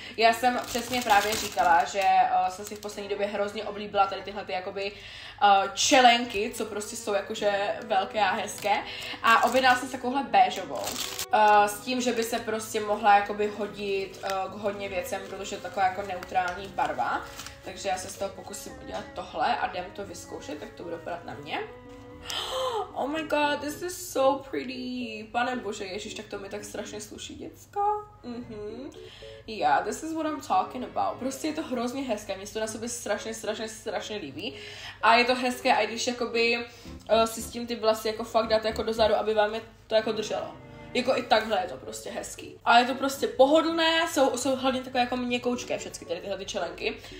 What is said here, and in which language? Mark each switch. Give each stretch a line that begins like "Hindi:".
Czech: Já jsem přesně právě říkala, že jsem si v poslední době hrozně oblíbila tady tyhle ty jakoby čelenky, co prostě jsou jakože velké a hezké a objednala jsem takovouhle béžovou s tím, že by se prostě mohla jakoby hodit k hodně věcem, protože je taková jako neutrální barva, takže já se z toho pokusím udělat tohle a jdem to vyzkoušet, tak to bude opadat na mě.
English: Oh my god, this is so pretty.
Czech: Pane bože, ježiš, tak to mi tak strašně sluší, děcka. Mm-hmm.
English: Yeah, this is what I'm talking about.
Czech: Prostě je to hrozně hezké, mě se to na sobě strašně, strašně, strašně líbí. A je to hezké, i když jakoby si s tím ty vlasy jako fakt dáte jako dozadu, aby vám je to jako drželo. Jako i takhle je to prostě hezký. A je to prostě pohodlné, jsou hlavně takové jako měkoučké všechny tady tyhle ty čelenky.